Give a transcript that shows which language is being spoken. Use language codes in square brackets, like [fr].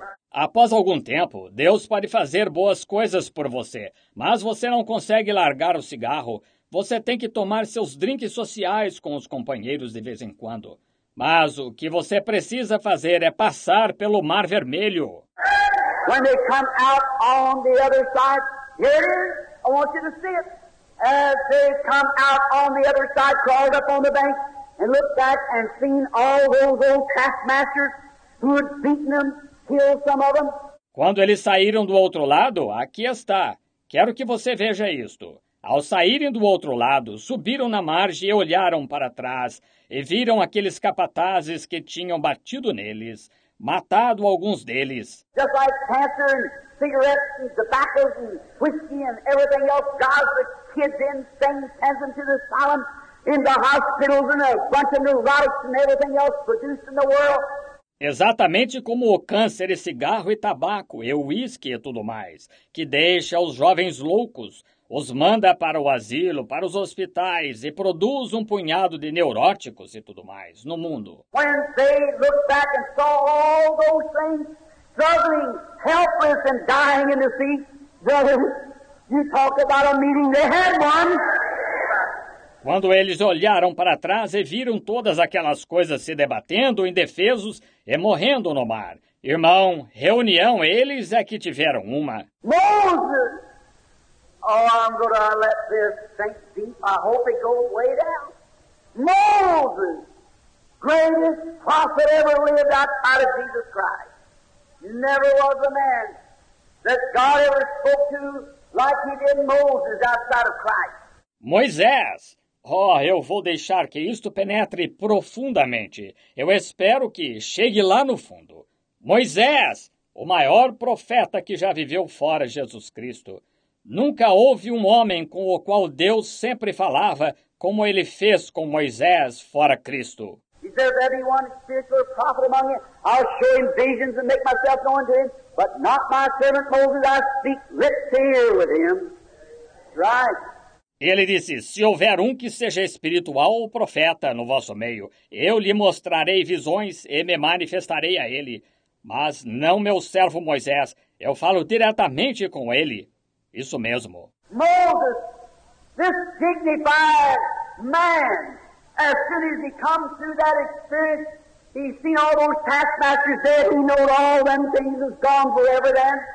[pt] Após algum tempo, Deus pode fazer boas coisas por você, mas você não consegue largar o cigarro. Você tem que tomar seus drinks sociais com os companheiros de vez em quando. Mas o que você precisa fazer é passar pelo Mar Vermelho. [en] When they come out on the other side, here it is, I want you to see it. As they come out on the other side, crawled up on the bank, and looked back and seen all those old taskmasters who had beaten them, killed some of them. [pt] Quando eles saíram do outro lado, aqui está. Quero que você veja isto. Ao saírem do outro lado, subiram na margem e olharam para trás e viram aqueles capatazes que tinham batido neles, matado alguns deles. [en] Just like cancer and cigarettes and tobacco and whiskey and everything else, God's the kids in, saying, sends them to the asylum, in the hospitals and a bunch of neurotics and everything else produced in the world. [pt] Exatamente como o câncer e cigarro e tabaco e o uísque e tudo mais, que deixa os jovens loucos, os manda para o asilo, para os hospitais e produz um punhado de neuróticos e tudo mais no mundo. [en] When they look back and saw all those things struggling, helpless and dying in the sea, brothers, you talk about a meeting, they had one. [pt] Quando eles olharam para trás e viram todas aquelas coisas se debatendo, indefesos e morrendo no mar. Irmão, reunião, eles é que tiveram uma. [en] Moses! Oh, I'm going to let this sink deep. I hope it goes way down. Moses, greatest prophet ever lived outside of Jesus Christ. Never was a man that God ever spoke to like he did Moses outside of Christ. [pt] Moisés! Oh, eu vou deixar que isto penetre profundamente. Eu espero que chegue lá no fundo. Moisés, o maior profeta que já viveu fora Jesus Cristo. Nunca houve um homem com o qual Deus sempre falava como ele fez com Moisés fora Cristo. [en] He's there's everyone spiritual or prophet among you, I'll show him visions and make myself known to him. But not my servant Moses, I speak lip to ear with him. Right. [pt] Ele disse, se houver um que seja espiritual ou profeta no vosso meio, eu lhe mostrarei visões e me manifestarei a ele. Mas não meu servo Moisés, eu falo diretamente com ele. Isso mesmo. [en] Moses, this dignified man, as soon as he comes through that experience, he's seen all those taskmasters there, he knows all them things is gone forever then.